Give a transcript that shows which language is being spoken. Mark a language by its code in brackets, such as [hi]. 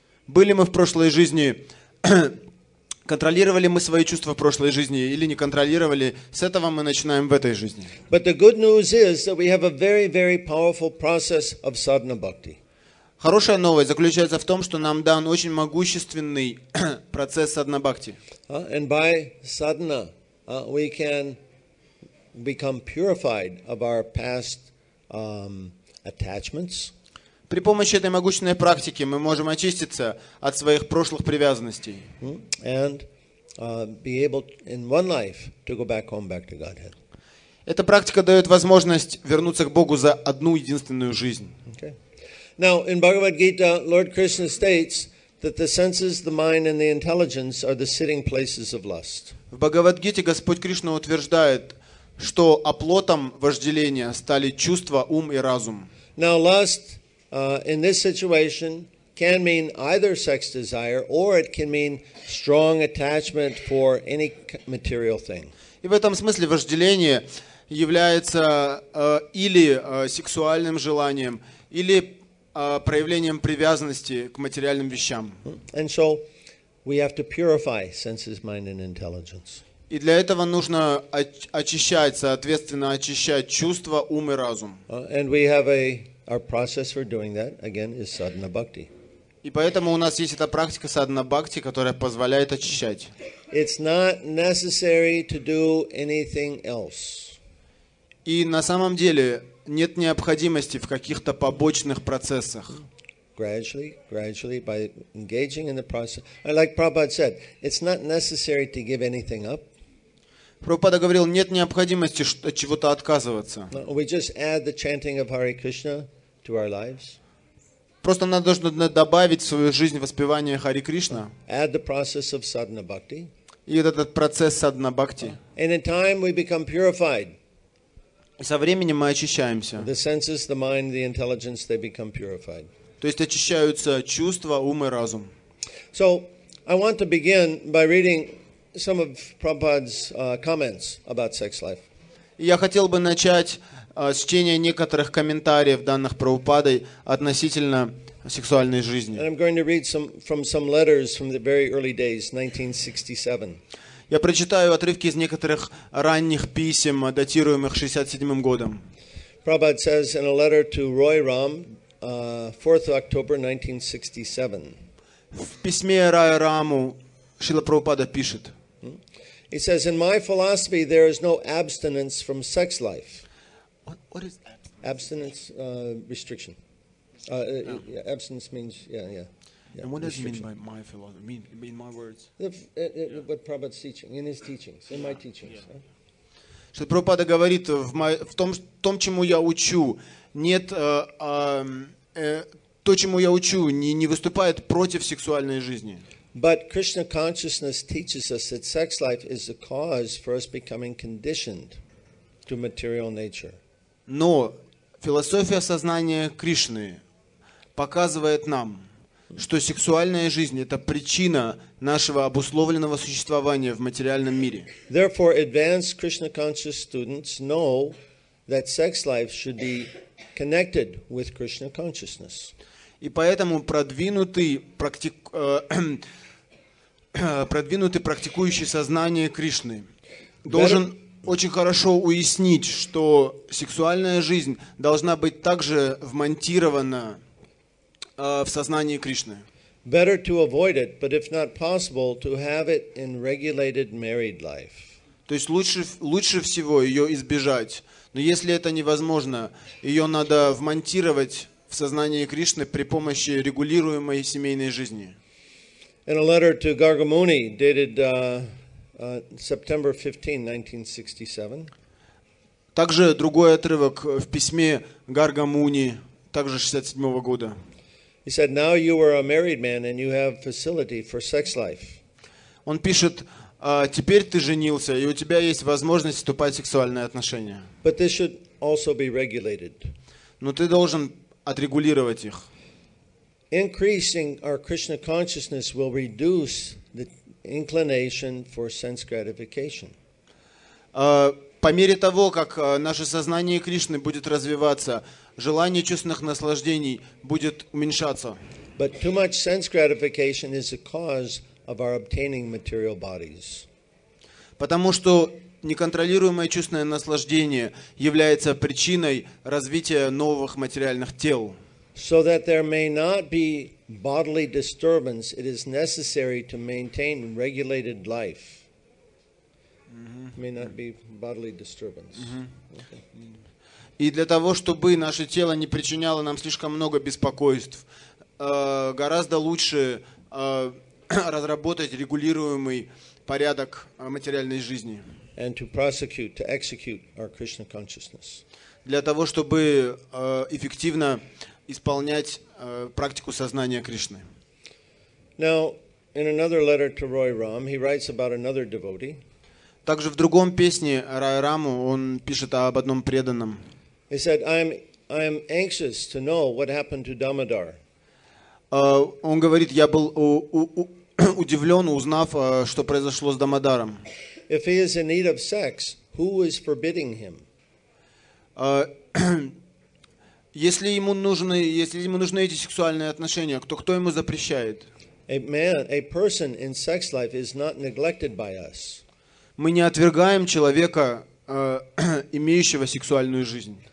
[ru] Были мы в прошлой жизни, контролировали мы свои чувства в прошлой жизни или не контролировали, с этого мы начинаем в этой жизни. [en] But the good news is that we have a very, very powerful process of sadhana bhakti. [ru] Хорошая новость заключается в том, что нам дан очень могущественный процесс садхана бхакти. [en] And by sadhana, we can become purified of our past attachments. [ru] При помощи этой могущественной практики мы можем очиститься от своих прошлых привязанностей. [en] And be able in one life to go back home, back to Godhead. [ru] Эта практика дает возможность вернуться к Богу за одну единственную жизнь. [en] Okay. Now, in Bhagavad Gita, Lord Krishna states that the senses, the mind, and the intelligence are the sitting places of lust. [ru] В Бхагавад-гите Господь Кришна утверждает, что оплотом вожделения стали чувства, ум и разум. [en] Now, lust in this situation can mean either sex desire or it can mean strong attachment for any material thing. [ru] И в этом смысле вожделение является или сексуальным желанием, или проявлением привязанности к материальным вещам. [en] And so we have to purify senses, mind and intelligence. [ru] И для этого нужно очищать, соответственно, очищать чувства, ум и разум. [en] And we have a our process for doing that again is sadhana bhakti. [ru] И поэтому у нас есть эта практика sadhana bhakti, которая позволяет очищать. [en] It's not necessary to do anything else. [ru] И на самом деле нет необходимости в каких-то побочных процессах. [en] Gradually, gradually by engaging in the process. Like Prabhupada said, it's not necessary to give anything up. [ru] Прабхупада говорил, нет необходимости от чего-то отказываться. [en] We just add the chanting of Hare Krishna to our lives. [ru] Просто нам нужно добавить в свою жизнь воспевание Хари Кришна. [en] Add the process of sadhana bhakti. [ru] И вот этот процесс sadhana bhakti. [en] And in time we become purified. [ru] Со временем мы очищаемся. [en] The senses, the mind, the intelligence, they become purified. [ru] То есть очищаются чувства, ум и разум. [en] So I want to begin by reading some of Prabhupada's comments about sex life. [ru] Я хотел бы начать с чтения некоторых комментариев данных Прабхупадой относительно сексуальной жизни. [en] And I'm going to read from some letters from the very early days, 1967. [ru] Я прочитаю отрывки из некоторых ранних писем, датируемых 67-м годом. [en] Prabhupada says in a letter to Roy Ram, 4th October 1967. [ru] В письме Рая Раму Шрила Прабхупада пишет. [en] He says, in my philosophy, there is no abstinence from sex life. What is abstinence? Abstinence, restriction. Yeah, abstinence means, And what does he mean by my philosophy? In my words? What Prabhupada's teaching, in his teachings, in my teachings. [ru] Шрила Прабхупада говорит, в том, чему я учу, нет, то, чему я учу, не выступает против сексуальной жизни. [en] But Krishna consciousness teaches us that sex life is the cause for us becoming conditioned to material nature. [ru] Но философия сознания Кришны показывает нам, что сексуальная жизнь — это причина нашего обусловленного существования в материальном мире. [en] Therefore, advanced Krishna conscious students know that sex life should be connected with Krishna consciousness. [ru] И поэтому продвинутый практикующий сознание Кришны должен очень хорошо уяснить, что сексуальная жизнь должна быть также вмонтирована в сознание Кришны. [en] Better to avoid it, but if not possible, to have it in regulated married life. [ru] То есть лучше всего ее избежать, но если это невозможно, ее надо вмонтировать в сознание Кришны при помощи регулируемой семейной жизни. [en] In a letter to Garga Muni, dated September 15, 1967. [ru] Также другой отрывок в письме Гарга Муни, также 67-го года. [en] He said, "Now you are a married man and you have facility for sex life." [ru] Он пишет: "Теперь ты женился и у тебя есть возможность вступать в сексуальные отношения." [en] But this should also be regulated. [ru] Но ты должен отрегулировать их. [en] Increasing our Krishna consciousness will reduce the inclination for sense gratification. [ru] По мере того, как наше сознание Кришны будет развиваться, желание чувственных наслаждений будет уменьшаться. [en] But too much sense gratification is the cause of our obtaining material bodies. [ru] Потому что неконтролируемое чувственное наслаждение является причиной развития новых материальных тел. [en] So that there may not be bodily disturbance, it is necessary to maintain regulated life. May not be bodily disturbance. [ru] И для того, чтобы наше тело не причиняло нам слишком много беспокойств, гораздо лучше разработать регулируемый порядок материальной жизни. [en] And to prosecute, to execute our Krishna consciousness. [ru] Для того, чтобы эффективно исполнять практику сознания Кришны. [en] Now, in another letter to Roy Ram, he writes about another devotee. [ru] Также в другом песне Рая Раму он пишет об одном преданном. [en] He said, I am anxious to know what happened to Damodar. [ru] Он говорит, я был удивлен, узнав, что произошло с Дамодаром. [en] If he is in need of sex, who is forbidding him? [ru] Если ему нужны эти сексуальные отношения, кто ему запрещает? [en] A person in sex life is not neglected by us. [ru] Мы не отвергаем человека, имеющего сексуальную жизнь.